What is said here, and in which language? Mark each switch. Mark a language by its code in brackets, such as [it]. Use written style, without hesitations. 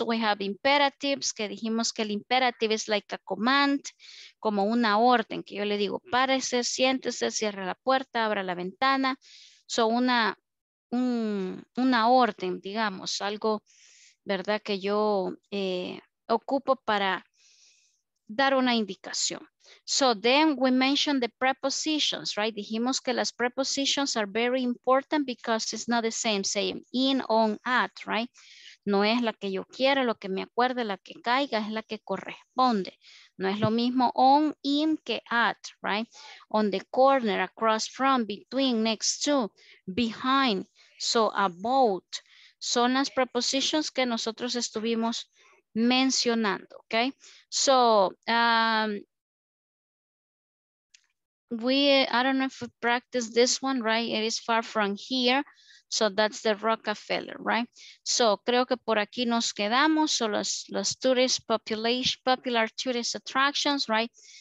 [en] We have imperatives, [es] que dijimos que el imperative [en] is like a command, [es] como una orden, que yo le digo, párese, siéntese, cierre la puerta, abra la ventana. So, una orden, digamos, algo, ¿verdad?, que yo ocupo para dar una indicación. [en] So, then we mentioned the prepositions, right? [es] Dijimos que las [en] prepositions are very important because it's not the same, saying in, on, at, right? [es] No es la que yo quiera, lo que me acuerde, la que caiga, es la que corresponde. No es lo mismo on, in, que at, right? [en] On the corner, across from, between, next to, behind, so about. [es] Son las prepositions que nosotros estuvimos mencionando, okay? [en] So, I don't know if we practice this one, right? It is far from here, so that's the Rockefeller, right? [es] So, creo que por aquí nos quedamos, so las tourist population, [en] popular tourist attractions, right?